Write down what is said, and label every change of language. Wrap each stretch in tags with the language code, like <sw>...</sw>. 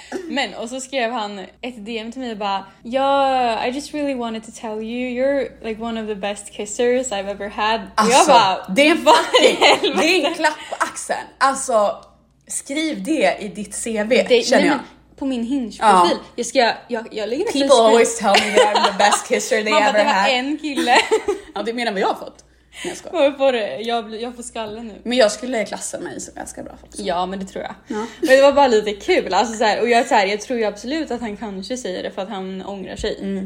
<sv>Men, och så skrev han ett DM till mig och bara, ja,</sv> <en>I just really wanted to tell you, you're like one of the best kissers I've ever had.</en> <sv>Alltså, jag bara, det är en klapp på axeln. Alltså, skriv det i ditt CV, känner jag. På min Hinge-profil. Jag lägger ner.</sv> <en>People always tell me that I'm the best kisser they ever had.</en> <sv>Det var en kille. Ja, det menar vad jag har fått. Jag får skalle nu. Men jag skulle klassa mig som ganska bra folk. Ja, men det tror jag. Ja. Men det var bara lite kul. Alltså, så här, och jag tror ju absolut att han kanske säger det för att han ångrar sig.</sv>